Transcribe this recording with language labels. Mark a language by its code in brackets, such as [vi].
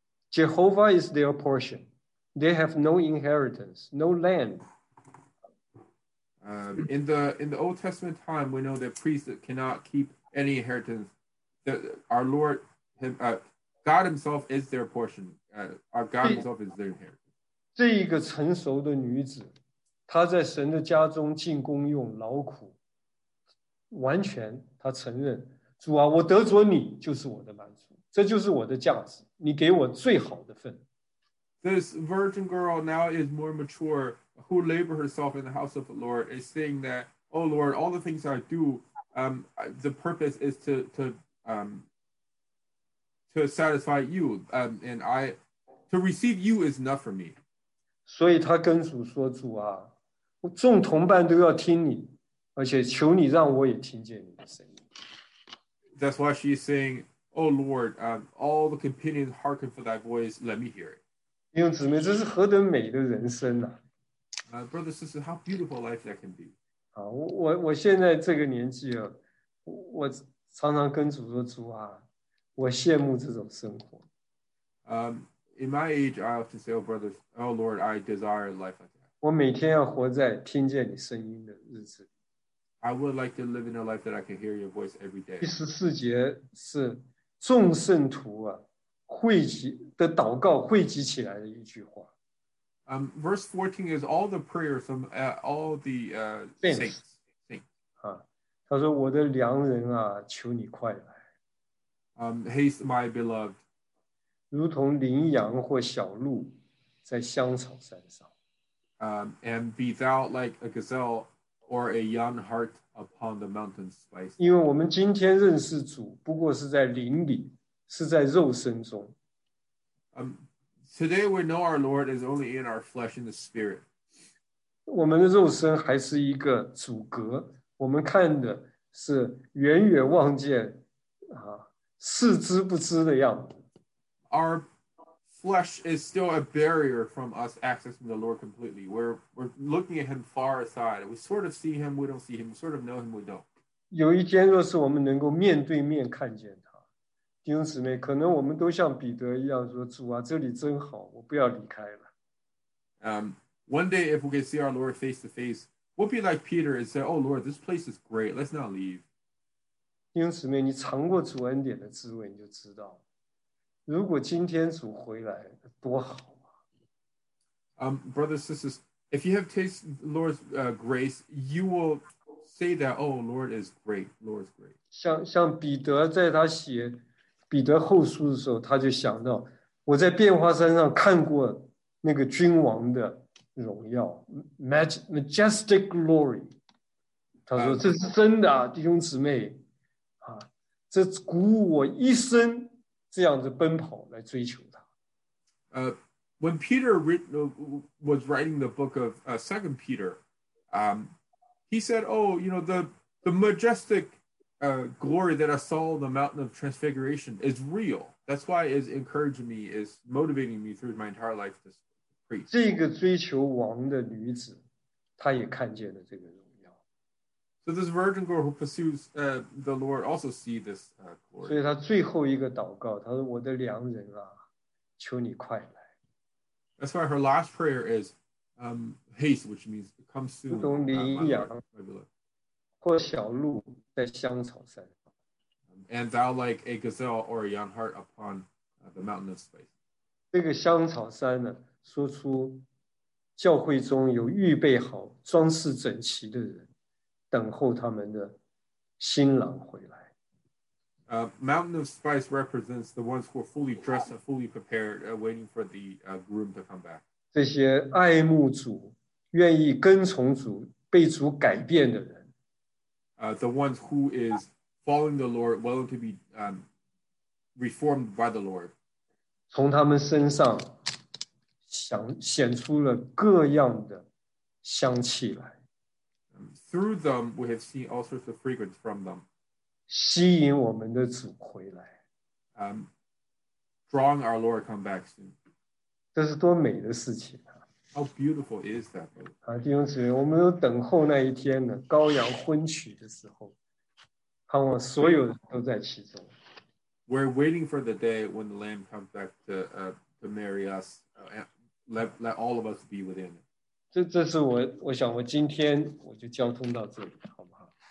[en] Jehovah is their portion. They have no inheritance, no land. In the Old Testament time, we know that priests cannot keep any inheritance. Our Lord, God himself is their portion. Our God himself is their inheritance. [zh] 这一个成熟的女子，她在神的家中进工用劳苦。完全他承认，主啊，我得着你就是我的满足，这就是我的价值，你给我最好的份。 [en] This virgin girl now is more mature, who labor herself in the house of the Lord, is saying that, oh Lord, all the things I do, the purpose is to satisfy you, and I to receive you is enough for me. [zh] 所以他跟主说，主啊，众同伴都要听你，而且求你让我也听见你的声音。 [en] That's why she's saying, "Oh Lord, all the companions hearken for thy voice. Let me hear it." [zh] 弟兄姊妹，这是何等美的人生啊！ [en] Brothers and sisters, how beautiful life that can be. [zh] 啊，我现在这个年纪了，我常常跟主说，主啊，我羡慕这种生活。 [en] In my age, I often say, "Oh brothers, oh Lord, I desire life like that." [zh] 我每天要活在听见你声音的日子。 [en] I would like to live in a life that I can hear your voice every day. [zh] 第十四节是众圣徒啊汇集的祷告汇集起来的一句话。 [en] Verse 14 is all the prayers from all the saints. [zh] 他说我的良人啊，求你快来。 [en] Haste, my beloved. [zh] 如同羚羊或小鹿在香草山上。 [en] And be thou like a gazelle. Or a young heart upon the mountain spice. [zh] 因为我们今天认识主，不过是在灵里，是在肉身中。 [en] Today we know our Lord is only in our flesh, in the spirit. [zh] 我们的肉身还是一个阻隔，我们看的是远远望见，啊，视之不知的样子。 [en] Our flesh is still a barrier from us accessing the Lord completely. We're looking at him far aside. We sort of see him, we don't see him. We sort of know him, we don't. [zh] 有一天若是我们能够面对面看见他，弟兄姊妹，可能我们都像彼得一样说，主啊，这里真好，我不要离开了。 [en] One day if we can see our Lord face to face, we'll be like Peter and say, oh Lord, this place is great, let's not leave. [zh] 弟兄姊妹，你尝过主恩典的滋味，你就知道如果今天主回来多好啊。 [en] Brothers, sisters, if you have tasted the Lord's grace, you will say that, oh, Lord is great, Lord is great. [zh] 像彼得在他写彼得后书的时候，他就想到我在变化山上看过那个君王的荣耀， [en] majestic glory. [zh] 他说这是真的啊，弟兄姊妹啊，这鼓舞我一生这样子奔跑来追求他。 [en] When Peter was writing the book of Second Peter, he said, "Oh, you know the majestic glory that I saw on the mountain of transfiguration is real. That's why it's encouraging me, is motivating me through my entire life to preach." [zh] 这个追求王的女子，她也看见了这个荣耀。 [en] So this virgin girl who pursues the Lord also see this glory. [zh] 所以她最后一个祷告，她说：“我的良人啊，求你快来。 [en] That's why her last prayer is haste, which means come soon. [zh] 如同羚羊或小鹿在香草山。 [en] And thou like a gazelle or a young hart upon the mountainous space. [zh] 这个香草山呢，说出教会中有预备好、装饰整齐的人，等候他们的新郎回来。 [en] Mountain of Spice represents the ones who are fully dressed and fully prepared, waiting for the groom to come back. [zh] 这些爱慕主、愿意跟从主、被主改变的人。 [en] The ones who is following the Lord, willing to be reformed by the Lord. [zh] 从他们身上显出了各样的香气来。 [en] Through them, we have seen all sorts of fragrance from them. [zh] 吸引我们的主回来。 [en] Drawing our Lord come back soon. [zh] 这是多美的事情啊。 [en] How beautiful is that? [zh] 弟兄姊妹，我们都等候那一天呢，羔羊婚娶的时候，盼望所有人都在其中。 [en] We're waiting for the day when the Lamb comes back to marry us. Let all of us be within it. [zh] 这是我想我今天我就交通到这里，好不好？